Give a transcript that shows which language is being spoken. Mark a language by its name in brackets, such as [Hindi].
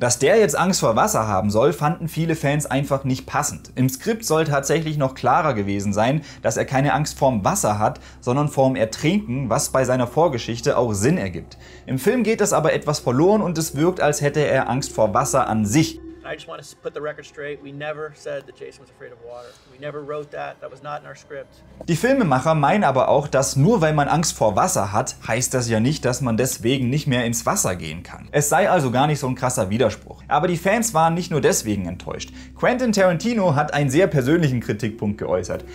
[German] Dass der jetzt Angst vor Wasser haben soll, fanden viele Fans einfach nicht passend. Im Skript soll tatsächlich noch klarer gewesen sein, dass er keine Angst vorm Wasser hat, sondern vorm Ertrinken, was bei seiner Vorgeschichte auch Sinn ergibt. Im Film geht das aber etwas verloren und es wirkt, als hätte er Angst vor Wasser an sich. [English] I just want to put the record straight. We never said that Jason was afraid of water. We never wrote that. That was not in our script. [German] Die Filmemacher meinen aber auch, dass nur weil man Angst vor Wasser hat, heißt das ja nicht, dass man deswegen nicht mehr ins Wasser gehen kann. Es sei also gar nicht so ein krasser Widerspruch. Aber die Fans waren nicht nur deswegen enttäuscht. Quentin Tarantino hat einen sehr persönlichen Kritikpunkt geäußert.